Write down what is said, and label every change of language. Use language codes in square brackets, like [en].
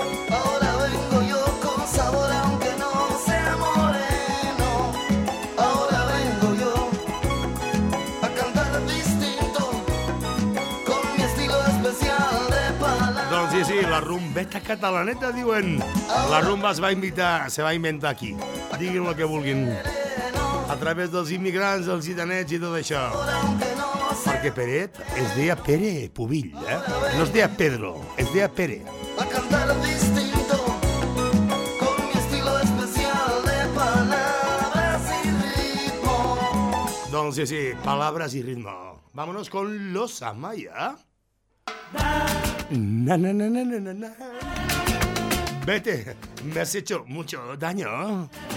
[es] Ahora vengo yo con sabor aunque no sea moreno. Ahora vengo yo a cantar distinto, con mi estilo especial de palabras. [ca] Doncs sí, la rumbeta catalaneta, diuen. La rumba es va invitar, se va inventar aquí. Diguin el que vulguin. A través dels immigrants, dels gitanets i tot això. Perquè Peret es deia Pere Pubill, eh? No es deia Pedro, es deia Pere. [es] A cantar distinto, con mi estilo especial de palabras y ritmo. [ca] Doncs sí, sí, [es] palabras y ritmo. Vámonos con los Amaya. Na, na, na, na, na, na, na. Vete, me has hecho mucho daño.